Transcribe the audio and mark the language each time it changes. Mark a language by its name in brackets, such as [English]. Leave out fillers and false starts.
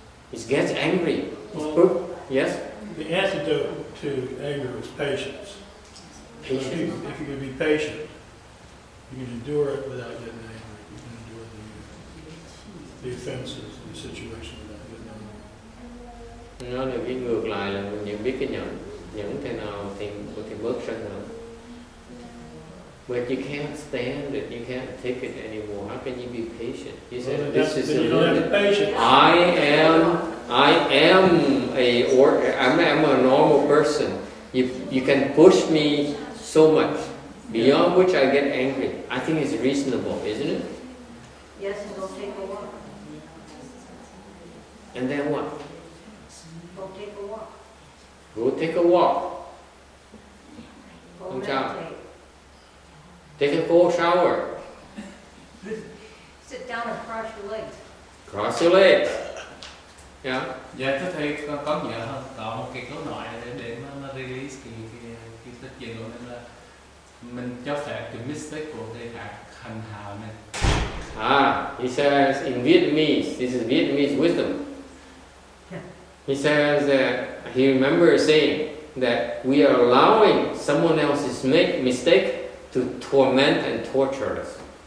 [English] He gets angry. Yes? The antidote to anger is patience. If you can be patient, you can endure it without getting angry. You can endure the offenses, the situation without getting angry. [Vietnamese] Nó là cái ngược lại là mình nhận biết cái nhận nhận thế nào thì có thể bớt sân hơn. [English] But you can't stand it. You can't take it anymore. How can you be patient? You said well, this is you don't have patience. I'm a normal person. You can push me so much, beyond which I get angry. I think it's reasonable, isn't it? Yes, and go take a walk. And then what? Go take a walk. Go take a walk. Go meditate. Take a cold shower. Sit down and cross your legs. Cross your legs. Yeah. [Vietnamese] Dạ thưa thầy, con có nghĩa là có một cái câu nói để mà release cái tích gì luôn là mình cho phép cái mistake của người khác hành hạ mình. [English] He says in Vietnamese, this is Vietnamese wisdom. He says that he remembers saying that we are allowing someone else's mistake to torment and torture us.